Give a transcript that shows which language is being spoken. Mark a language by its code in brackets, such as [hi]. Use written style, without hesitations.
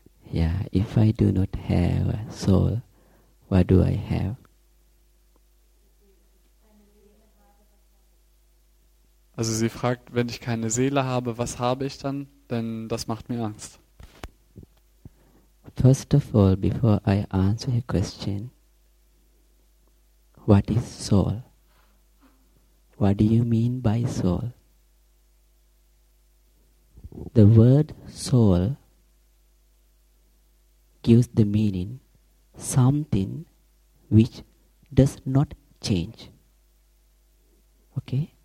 [en] Yeah, if I do not have a soul, what do I have? [de] Also sie fragt, wenn ich keine Seele habe, was habe ich dann? Denn das macht mir Angst. [en] First of all, before I answer your question, what is soul? What do you mean by soul? The word soul gives the meaning something which does not change. Okay?